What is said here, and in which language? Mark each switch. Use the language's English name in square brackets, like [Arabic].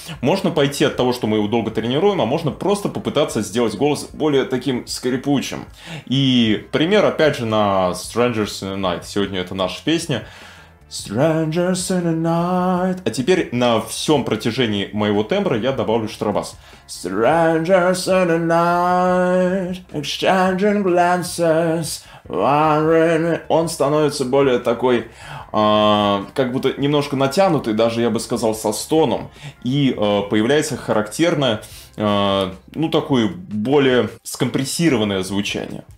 [Russian] Можно пойти от того, что мы его долго тренируем, а можно просто попытаться сделать голос более таким скрипучим. И пример опять же на Strangers in the night. Сегодня это наша песня. Strangers in the night. А теперь на всем протяжении моего тембра я добавлю штрабас. [English] Strangers in the night, exchanging glances, wondering. [Russian] Он становится более такой, как будто немножко натянутый, даже я бы сказал, со стоном. И появляется характерное, ну, такое более скомпрессированное звучание.